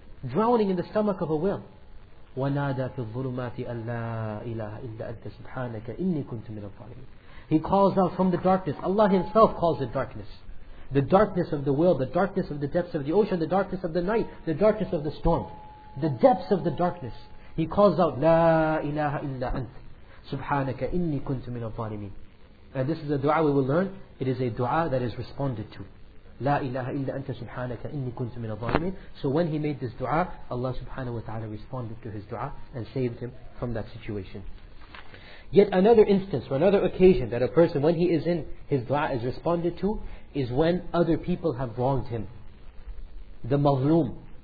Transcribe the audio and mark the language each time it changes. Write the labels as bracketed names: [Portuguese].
[English] Drowning in the stomach of a whale. [Arabic] وَنَادَى فِي الظُّلُمَاتِ أَن لَا إِلَهَ إِلَّا أَنْتَ سُبْحَانَكَ إِنِّي كُنْتُ مِنَ الظَّالِمِينَ. [English] He calls out from the darkness. Allah Himself calls it darkness. The darkness of the world, the darkness of the depths of the ocean, the darkness of the night, the darkness of the storm. The depths of the darkness. He calls out, [Arabic] لَا إِلَهَ إِلَّا أَنْتَ سُبْحَانَكَ إِنِّي كُنْتُ مِنَ الظَّالِمِينَ. [English] And this is a dua we will learn. It is a dua that is responded to. [Arabic] لا إله إلا أنت سبحانك إني كنت من الظالمين. [English] So when he made this dua, Allah subhanahu wa ta'ala responded to his dua and saved him from that situation. Yet another instance or another occasion that a person, when he is in, his dua is responded to, is when other people have wronged him. The mazloom.